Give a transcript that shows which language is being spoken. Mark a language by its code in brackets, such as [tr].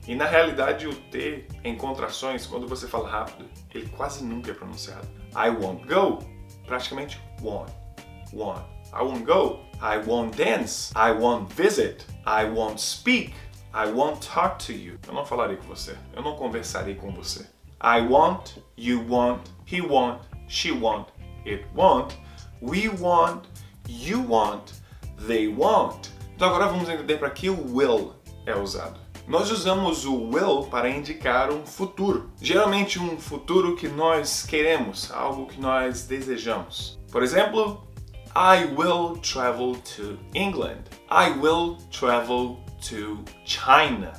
[pt] E na realidade, o T em contrações, quando você fala rápido, ele quase nunca é pronunciado. [en] I won't go. Praticamente, won't. Won't. I won't go, I won't dance, I won't visit, I won't speak, I won't talk to you. [pt] Eu não falarei com você, eu não conversarei com você. [en] I won't, you won't, he won't, she won't, it won't, we won't, you won't, they won't. [pt] Então agora vamos entender para que o will é usado. Nós usamos o will para indicar um futuro. Geralmente um futuro que nós queremos, algo que nós desejamos. Por exemplo, [en] I will travel to England. I will travel to China.